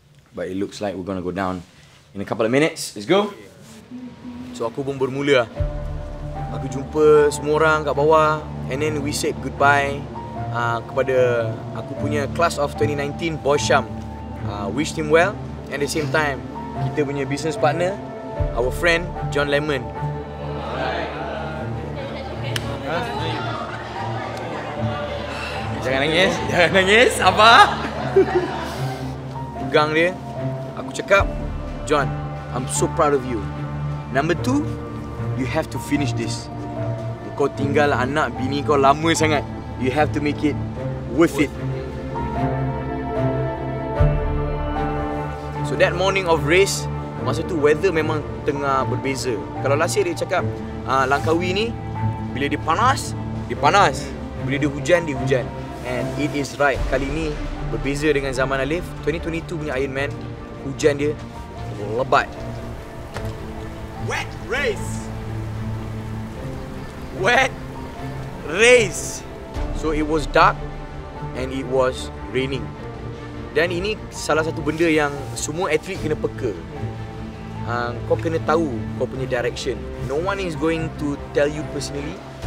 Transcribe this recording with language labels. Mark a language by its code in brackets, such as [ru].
[en] But it looks like we're gonna go down in a couple of minutes. Let's go. [ms] So aku pun bermula. Aku jumpa semua orang kat bawah. [en] And then we said goodbye [ms] kepada aku punya [en] class of 2019, Bosham. Wished him well. At the same time, [ms] kita punya [en] business partner, our friend John Lemon. [ms] Jangan nangis, jangan nangis, apa? Pegang dia, aku cakap, John, I'm so proud of you. [en] Number two, you have to finish this. [ms] Kau tinggal anak bini kau lama sangat. [en] You have to make it worth it. So that morning of race, [ms] masa tu weather memang tengah berbeza. Kalau [en] last year [ms] dia cakap Langkawi ni, bila dia panas, dia panas. Bila dia hujan, dia hujan. [en] And it is right. [ms] Kali ni berbeza dengan zaman Alif. 2022 punya Ironman, hujan dia lebat. [en] Wet race! Wet race! So it was dark and it was raining. [ms] Dan ini salah satu benda yang semua atlet kena peka. Kau kena tahu kau punya direction. [en] No one is going to tell you personally.